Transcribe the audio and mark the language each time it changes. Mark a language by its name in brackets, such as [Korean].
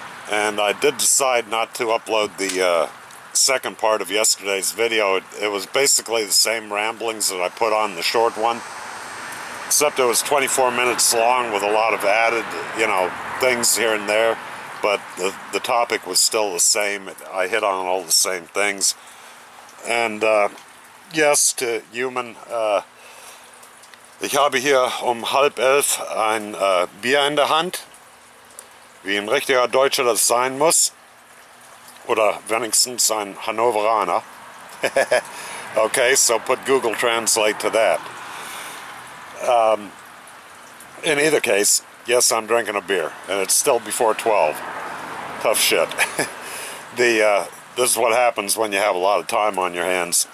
[English] And I did decide not to upload the second part of yesterday's video. It was basically the same ramblings that I put on the short one, except it was 24 minutes long with a lot of added, you know, things here and there, but the topic was still the same. I hit on all the same things. And yes, to human, [German] ich habe hier halb elf ein Bier in der Hand, wie ein richtiger Deutscher das sein muss, oder wenigstens ein Hannoveraner. [English] Okay, so put Google Translate to that. In either case, yes, I'm drinking a beer, and it's still before 12. Tough shit. This is what happens when you have a lot of time on your hands.